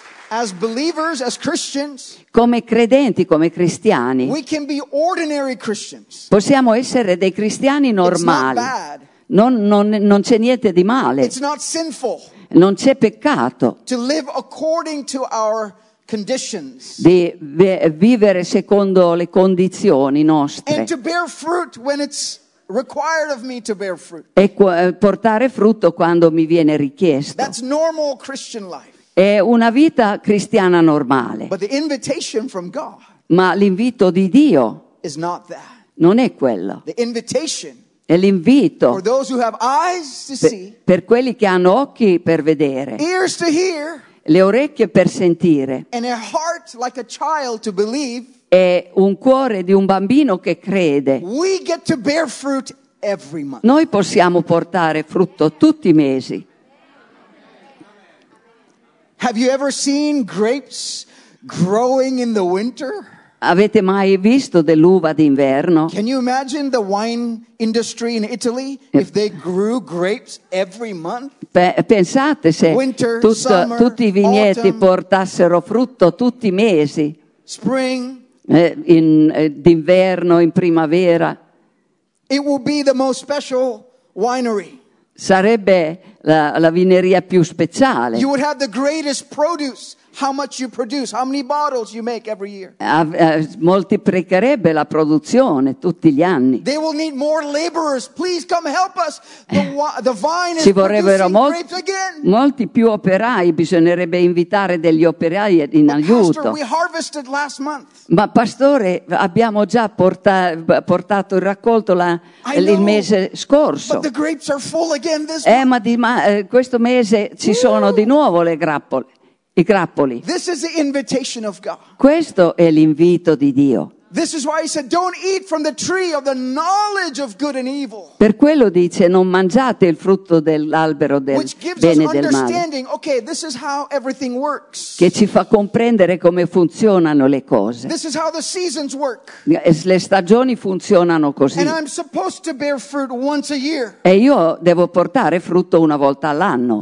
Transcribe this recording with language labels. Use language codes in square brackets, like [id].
[en] As believers, as Christians, [it] come credenti, come cristiani, [en] we can be ordinary Christians. [it] Possiamo essere dei cristiani normali. [en] It's not bad. [it] Non c'è niente di male. [en] It's not sinful. [it] Non c'è peccato. [en] To live according to our conditions. [it] Di vivere secondo le condizioni nostre. [en] And to bear fruit when it's required of me to bear fruit. [it] E portare frutto quando mi viene richiesto. [en] That's normal Christian life. [it] È una vita cristiana normale. [en] But the invitation from God, [it] ma l'invito di Dio, [en] is not that. [it] Non è quello. [en] The invitation [it] è l'invito [en] for those who have eyes to see, [it] per quelli che hanno occhi per vedere, [en] ears to hear, [it] le orecchie per sentire, [en] and a heart like a child to believe. [it] È un cuore di un bambino che crede. [en] We get to bear fruit every month. [it] Noi possiamo portare frutto tutti i mesi. [en] Have you ever seen grapes growing in the winter? [it] Avete mai visto dell'uva d'inverno? [en] Can you imagine the wine industry in Italy if they grew grapes every month? [it] Pensate se [en] winter, [it] tutto, [en] summer, [it] tutti i vigneti [en] autumn, [it] portassero frutto tutti i mesi. [en] Spring. [it] D'inverno, in primavera. [en] It will be the most special winery. [it] Sarebbe la vineria più speciale. [en] You would have the greatest produce. How much you produce, how many bottles you make every year. [it] Moltiplicherebbe la produzione tutti gli anni. [en] They will need more laborers. Please come help us. The vine is producing grapes again. [it] Molti più operai, bisognerebbe invitare degli operai in aiuto. [en] Pastor, we harvested last month. [it] Ma pastore, abbiamo già portato il raccolto il mese scorso. [en] But the grapes are full again this month. [it] Questo mese ci sono di nuovo le grappole. I grappoli. [en] This is the invitation of God. [it] Questo è l'invito di Dio. [en] This is why he said, "Don't eat from the tree of the knowledge of good and evil." [it] Per quello dice, non mangiate il frutto dell'albero del bene e del male. [en] Which gives us understanding. Okay, this is how everything works. [it] Che ci fa comprendere come funzionano le cose. [en] This is how the seasons work. [it] Le stagioni funzionano così. [en] And I'm supposed to bear fruit once a year. [it] E io devo portare frutto una volta all'anno.